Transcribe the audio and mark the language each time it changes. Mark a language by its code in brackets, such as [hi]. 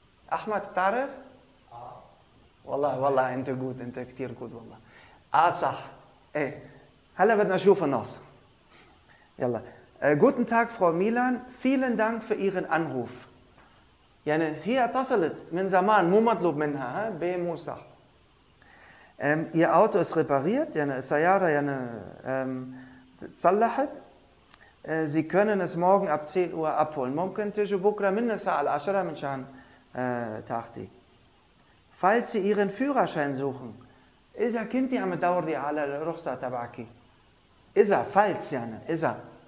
[ar] Ahmad Tarif? والله والله انت جود، انت كثير جود والله. صح. ايه هلا بدنا نشوف النص. يلا. [de] Guten Tag, Frau Milan. Vielen Dank für Ihren Anruf. [ar] يعني هي اتصلت من زمان، مو مطلوب منها، ها؟ ب مو صح. [de] Ihr Auto ist repariert. [ar] يعني السيارة يعني تصلحت. [de] Sie können es morgen ab 10 Uhr abholen. [ar] ممكن تجي بكره من الساعة 10 منشان تاخذي. [de] Falls Sie Ihren Führerschein suchen, [ar] إذا كنتي عم تدوري على الرخصة تبعك، إذا falls يعني إذا